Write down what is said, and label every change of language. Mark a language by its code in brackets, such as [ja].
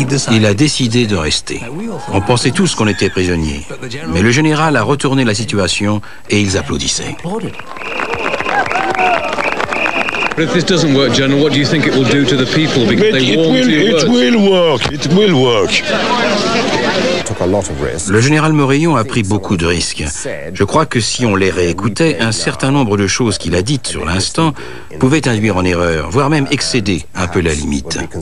[fr] Il a décidé de rester. On pensait tous qu'on était prisonniers. Mais le général a retourné la situation et ils applaudissaient. [en] But if this doesn't work, General, what do you think it will do to the people? Because they want to work. It will work. It will work. [fr] Le général Morillon a pris beaucoup de risques. Je crois que si on les réécoutait, un certain nombre de choses qu'il a dites sur l'instant pouvaient induire en erreur, voire même excéder un peu la limite.